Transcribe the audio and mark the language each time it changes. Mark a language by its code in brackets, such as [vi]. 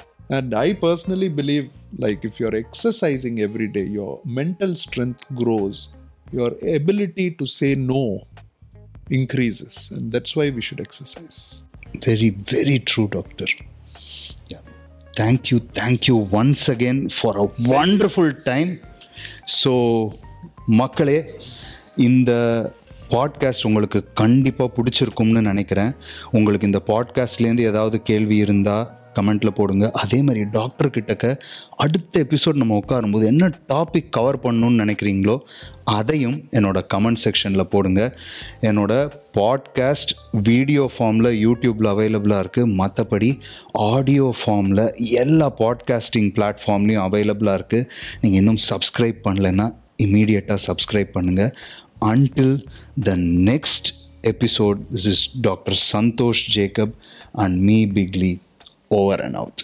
[en] And I personally believe, like, if you're exercising every day, your mental strength grows. Your ability to say no increases, and that's why we should exercise. Very, very true, doctor. Yeah. Thank you once again for a wonderful time. [ta] So, makkale, in the podcast உங்களுக்கு கண்டிப்பாக பிடிச்சிருக்கும்னு நினைக்கிறேன். உங்களுக்கு இந்த பாட்காஸ்ட்லேருந்து ஏதாவது கேள்வி இருந்தால் கமெண்டில் போடுங்க. அதே மாதிரி டாக்டர் கிட்டக்க அடுத்த எபிசோட் நம்ம உட்காரும்போது என்ன டாபிக் கவர் பண்ணணும்னு நினைக்கிறீங்களோ அதையும் என்னோடய கமெண்ட் செக்ஷனில் போடுங்க. என்னோடய பாட்காஸ்ட் வீடியோ ஃபார்மில் யூடியூப்பில் அவைலபிளாக இருக்குது, மற்றபடி ஆடியோ ஃபார்மில் எல்லா பாட்காஸ்டிங் பிளாட்ஃபார்ம்லேயும் அவைலபிளாக இருக்குது. நீங்கள் இன்னும் சப்ஸ்கிரைப் பண்ணலைன்னா இமீடியட்டாக சப்ஸ்கிரைப் பண்ணுங்கள். [en] Until the next episode, this is Dr. Santhosh Jacob and me, Biglee, over and out.